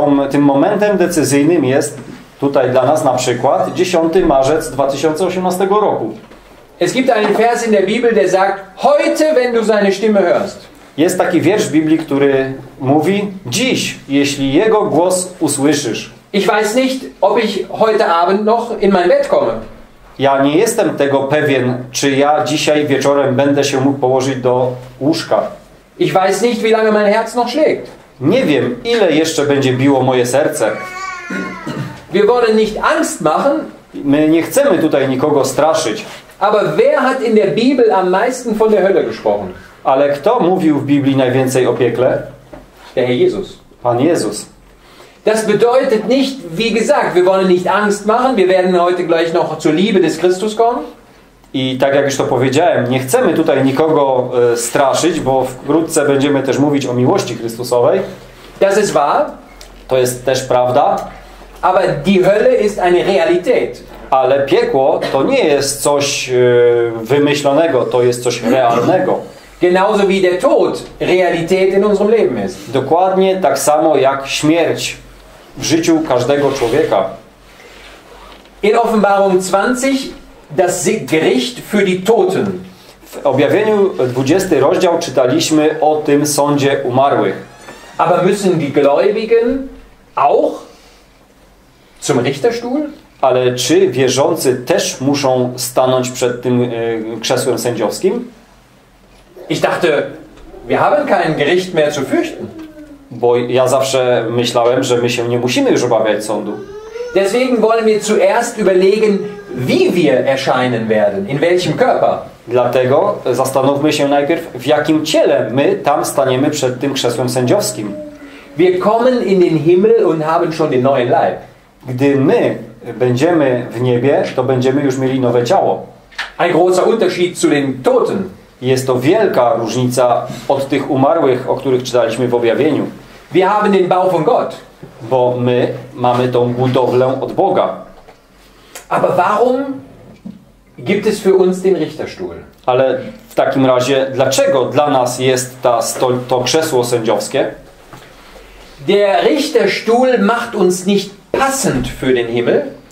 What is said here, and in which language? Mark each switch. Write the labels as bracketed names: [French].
[Polish] Tym momentem decyzyjnym jest tutaj dla nas na przykład 10 marzec 2018 roku. [German] Es gibt einen Vers in der Bibel, der sagt: Heute, wenn du seine Stimme hörst. [Polish] Jest taki wiersz w Biblii, który mówi: Dziś, jeśli jego głos usłyszysz. [German] Ich weiß nicht, ob ich heute Abend noch in mein Bett komme. [Polish] Ja nie jestem tego pewien, czy ja dzisiaj wieczorem będę się mógł położyć do łóżka. [German] Ich weiß nicht, wie lange mein Herz noch schlägt. [Polish] Nie wiem, ile jeszcze będzie biło moje serce. [German] Wir wollen nicht Angst machen, [Polish] My nie chcemy tutaj nikogo straszyć. [German] Aber wer hat in der Bibel am meisten von der Hölle gesprochen? [Polish] Ale kto mówił w Biblii najwięcej o piekle? [German] Der Herr Jesus. [Polish] Pan Jezus. [German] Das bedeutet nicht, wie gesagt, wir wollen nicht Angst machen, wir werden heute gleich noch zur Liebe des Christus kommen. [Polish] I tak jak już to powiedziałem, nie chcemy tutaj nikogo straszyć, bo wkrótce będziemy też mówić o miłości Chrystusowej. [German] Das ist wahr. [Polish] To jest też prawda. [German] Aber die Hölle ist eine Realität. [Polish] Ale piekło to nie jest coś wymyślonego, to jest coś realnego. [German] Genauso wie der Tod Realität in unserem Leben ist. [Polish] Dokładnie tak samo jak śmierć w życiu każdego człowieka. [German] In Offenbarung 20 das Gericht für die Toten. [Polish] W Objawieniu 20 rozdział czytaliśmy o tym sądzie umarłych. [German] Aber müssen die Gläubigen auch zum Richterstuhl? [Polish] Ale czy wierzący też muszą stanąć przed tym krzesłem sędziowskim? [German] Ich dachte, wir haben kein Gericht mehr zu fürchten. [Polish] Bo ja zawsze myślałem, że my się nie musimy już obawiać sądu. [German] Deswegen wollen wir zuerst überlegen, wie wir erscheinen werden, in welchem Körper. [Polish] Dlatego zastanówmy się najpierw, w jakim ciele my tam staniemy przed tym krzesłem sędziowskim. [German] Wir kommen in den Himmel und haben schon den neuen Leib. [Polish] Gdy my będziemy w niebie, to będziemy już mieli nowe ciało. [German] Ein großer Unterschied zu den Toten. [Polish] Jest to wielka różnica od tych umarłych, o których czytaliśmy w objawieniu. [German] Wir haben den Bau von Gott. [Polish] Bo my mamy tą budowlę od Boga. [German] Aber warum gibt es für uns den Richterstuhl? [Polish] Ale w takim razie, dlaczego dla nas jest to krzesło sędziowskie? [German] Der Richterstuhl macht uns nicht passend für den Himmel.